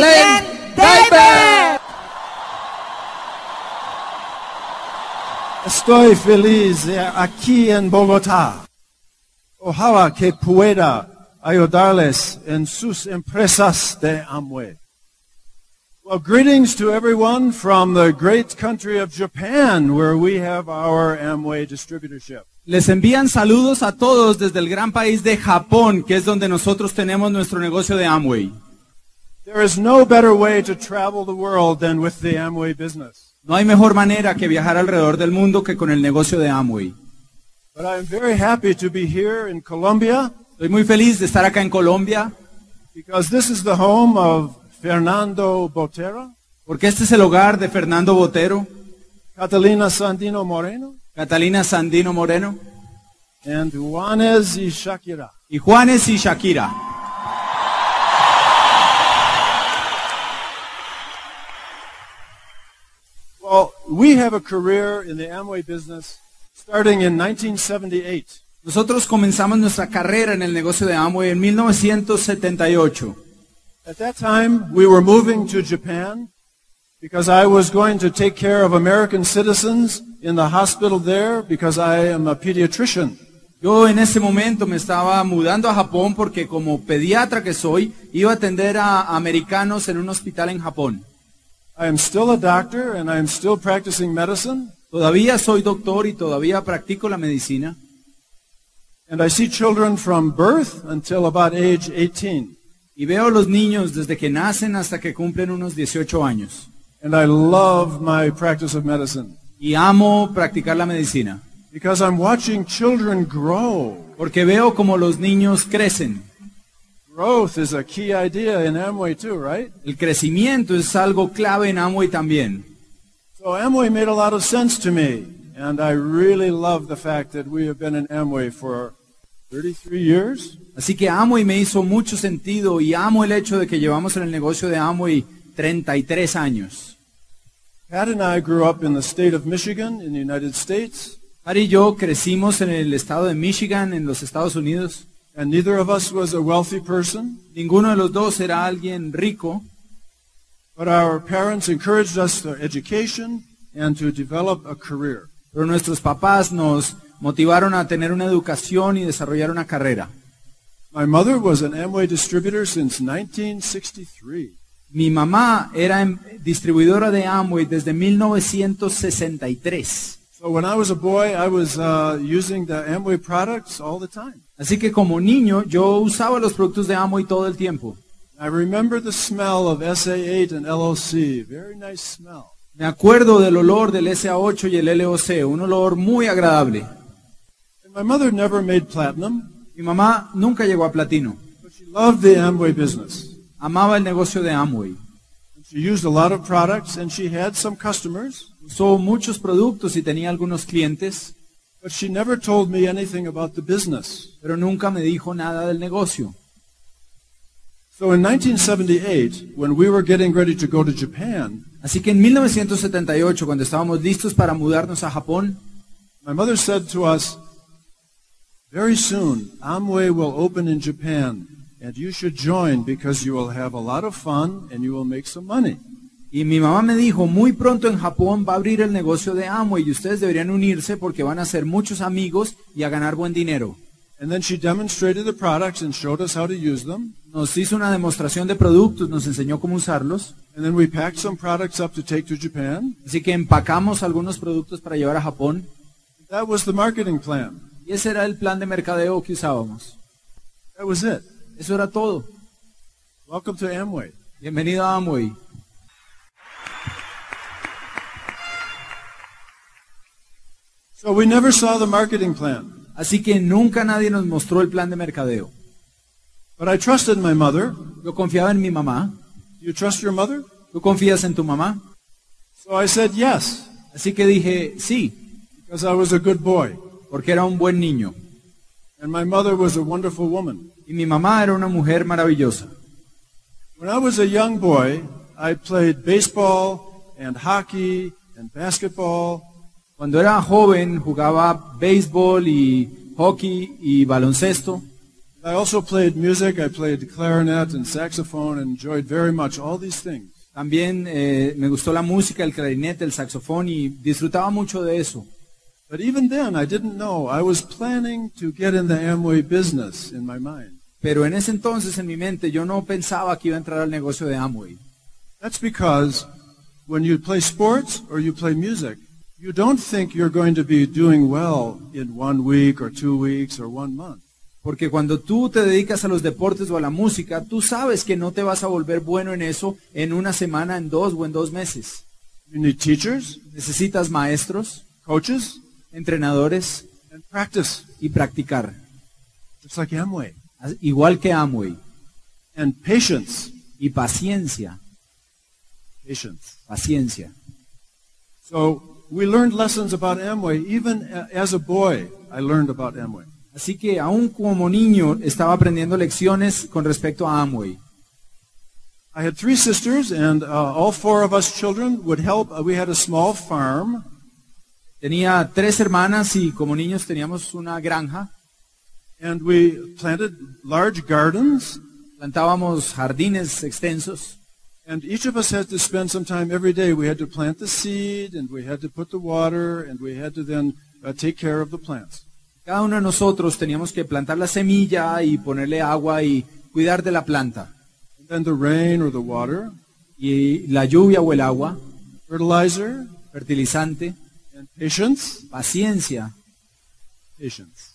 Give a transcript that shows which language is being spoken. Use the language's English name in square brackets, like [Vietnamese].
[English] Glenn Diver. David. [Spanish] Estoy feliz aquí en Bogotá. Ojalá que pueda ayudarles en sus empresas de Amway. [English] Well, greetings to everyone from the great country of Japan, where we have our Amway distributorship. [Spanish] Les envían saludos a todos desde el gran país de Japón, que es donde nosotros tenemos nuestro negocio de Amway. [English] There is no better way to travel the world than with the Amway business. [Spanish] No hay mejor manera que viajar alrededor del mundo que con el negocio de Amway. [English] But I'm very happy to be here in Colombia. [Spanish] Estoy muy feliz de estar acá en Colombia. [English] Because this is the home of Fernando Botero. [Spanish] Porque este es el hogar de Fernando Botero. [English] Catalina Sandino Moreno. [Spanish] Catalina Sandino Moreno. [English] And Juanes y Shakira. [Spanish] Y Juanes y Shakira. [English] Well, we have a career in the Amway business starting in 1978. [Spanish] Nosotros comenzamos nuestra carrera en el negocio de Amway en 1978. [English] At that time, we were moving to Japan because I was going to take care of American citizens in the hospital there because I am a pediatrician. [Spanish] Yo en ese momento me estaba mudando a Japón porque como pediatra que soy, iba a atender a americanos en un hospital en Japón. [English] I am still a doctor and I am still practicing medicine. [Spanish] Todavía soy doctor y todavía practico la medicina. [English] And I see children from birth until about age 18. [Spanish] Y veo a los niños desde que nacen hasta que cumplen unos 18 años. [English] And I love my practice of medicine. [Spanish] Y amo practicar la medicina. [English] Because I'm watching children grow. [Spanish] Porque veo como los niños crecen. [English] Growth is a key idea in Amway too, right? [Spanish] El crecimiento es algo clave en Amway también. [English] So Amway made a lot of sense to me, and I really love the fact that we have been in Amway for 33 years. [Spanish] Así que Amway me hizo mucho sentido y amo el hecho de que llevamos en el negocio de Amway 33 años. [English] Pat and I grew up in the state of Michigan in the United States. [Spanish] Pat y yo crecimos en el estado de Michigan, en los Estados Unidos. [English] And neither of us was a wealthy person. [Spanish] Ninguno de los dos era alguien rico. [English] But our parents encouraged us to education and to develop a career. [Spanish] Pero nuestros papás nos motivaron a tener una educación y desarrollar una carrera. [English] My mother was an Amway distributor since 1963. [Spanish] Mi mamá era distribuidora de Amway desde 1963. [English] So when I was a boy, I was using the Amway products all the time. [Spanish] Así que como niño, yo usaba los productos de Amway todo el tiempo. [English] I remember the smell of SA8 and LLC. Very nice smell. [Spanish] Me acuerdo del olor del SA8 y el LLC, un olor muy agradable. [English] And my mother never made platinum. [Spanish] Mi mamá nunca llegó a platino. [English] But she loved the Amway business. [Spanish] Amaba el negocio de Amway. [English] She used a lot of products and she had some customers. [Spanish] Usó muchos productos y tenía algunos clientes. [English] But she never told me anything about the business. [Spanish] Pero nunca me dijo nada del negocio. [English] So in 1978, when we were getting ready to go to Japan, [Spanish] así que en 1978, cuando estábamos listos para mudarnos a Japón, [English] my mother said to us, "Very soon, Amway will open in Japan, and you should join because you will have a lot of fun and you will make some money." [Spanish] Y mi mamá me dijo, "Muy pronto en Japón va a abrir el negocio de Amway y ustedes deberían unirse porque van a hacer muchos amigos y a ganar buen dinero." [English] And then she demonstrated the products and showed us how to use them. [Spanish] Nos hizo una demostración de productos, nos enseñó cómo usarlos. [English] And then we packed some products up to take to Japan. [Spanish] Así que empacamos algunos productos para llevar a Japón. [English] That was the marketing plan. [Spanish] Y ese era el plan de mercadeo que usábamos. [English] That was it. [Spanish] Eso era todo. [English] Welcome to Amway. [Spanish] Bienvenido a Amway. [English] So we never saw the marketing plan. [Spanish] Así que nunca nadie nos mostró el plan de mercadeo. [English] But I trusted my mother. [Spanish] Yo confiaba en mi mamá. [English] You trust your mother? [Spanish] ¿Tú confías en tu mamá? [English] So I said yes. [Spanish] Así que dije sí. [English] Because I was a good boy. [Spanish] Porque era un buen niño. [English] And my mother was a wonderful woman. [Spanish] Y mi mamá era una mujer maravillosa. [English] When I was a young boy, I played baseball and hockey and basketball. [Spanish] Cuando era joven, jugaba béisbol y hockey y baloncesto. [English] I also played music. I played clarinet and saxophone and enjoyed very much all these things. [Spanish] También me gustó la música, el clarinete, el saxofón y disfrutaba mucho de eso. [English] But even then, I didn't know. I was planning to get in the Amway business in my mind. [Spanish] Pero en ese entonces, en mi mente, yo no pensaba que iba a entrar al negocio de Amway. [English] That's because when you play sports or you play music, you don't think you're going to be doing well in 1 week or 2 weeks or 1 month. [Spanish] Porque cuando tú te dedicas a los deportes o a la música, tú sabes que no te vas a volver bueno en eso en una semana, en dos o en dos meses. [English] You need teachers. [Spanish] Necesitas maestros. [English] Coaches. [Spanish] Entrenadores. [English] And practice. [Spanish] Y practicar. [English] Just like Amway. [Spanish] Igual que Amway. [English] And patience. [Spanish] Y paciencia. [English] Patience. [Spanish] Paciencia. [English] So we learned lessons about Amway. Even as a boy, I learned about Amway. [Spanish] Así que aún como niño estaba aprendiendo lecciones con respecto a Amway. [English] I had three sisters, and all four of us children would help. We had a small farm. [Spanish] Tenía tres hermanas y como niños teníamos una granja. [English] And we planted large gardens. [Spanish] Plantábamos jardines extensos. [English] And each of us had to spend some time every day. We had to plant the seed, and we had to put the water, and we had to then take care of the plants. [Spanish] Cada uno de nosotros teníamos que plantar la semilla y ponerle agua y cuidar de la planta. [English] And then the rain or the water. [Spanish] Y la lluvia o el agua. [English] Fertilizer. [Spanish] Fertilizante. [English] And patience. [Spanish] Paciencia. [English] Patience.